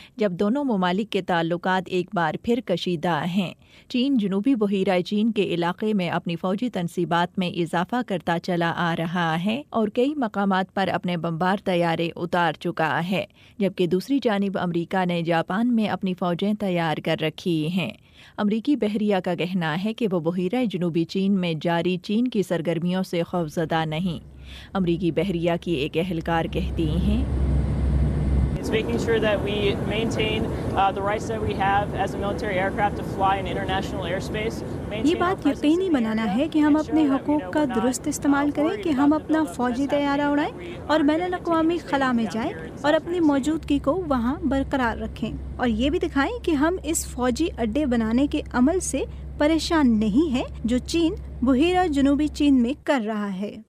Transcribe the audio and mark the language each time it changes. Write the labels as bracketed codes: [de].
[ur] جب دونوں ممالک کے تعلقات ایک بار پھر کشیدہ ہیں۔ چین جنوبی بحیرہ چین کے علاقے میں اپنی فوجی تنصیبات میں اضافہ کرتا چلا آ رہا ہے اور کئی مقامات پر اپنے بمبار طیارے اتار چکا ہے، جبکہ دوسری جانب امریکہ نے جاپان میں اپنی فوجیں تیار کر رکھی ہیں۔ امریکی بحریہ کا کہنا ہے کہ وہ بحیرہ جنوبی چین میں جاری چین کی سرگرمیوں سے خوفزدہ نہیں۔ امریکی بحریہ کی ایک اہلکار کہتی ہیں، [en] making sure that we maintain the rights that we have as a military aircraft to fly in international airspace. [ur] یہ بات یقینی بنانا ہے کہ ہم اپنے حقوق کا درست استعمال کریں، کہ ہم اپنا فوجی طیارہ اڑائیں اور بین الاقوامی خلا میں جائیں اور اپنی موجودگی کو وہاں برقرار رکھیں، اور یہ بھی دکھائیں کہ ہم اس فوجی اڈے بنانے کے عمل سے پریشان نہیں ہیں جو چین بحیرہ جنوبی چین میں کر رہا ہے۔